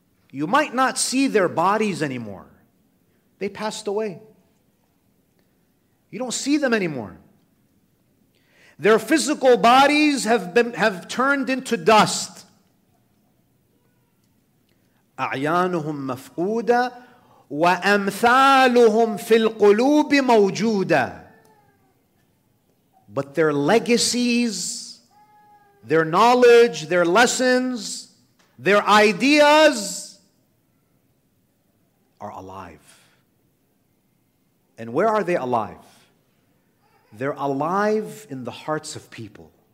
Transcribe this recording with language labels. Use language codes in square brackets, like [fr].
[en] You might not see their bodies anymore. They passed away. You don't see them anymore. Their physical bodies have turned into dust. [ar] أعيانهم مفقودة وأمثالهم في القلوب موجودة. [en] But their legacies, their knowledge, their lessons, their ideas are alive. And where are they alive? They're alive in the hearts of people.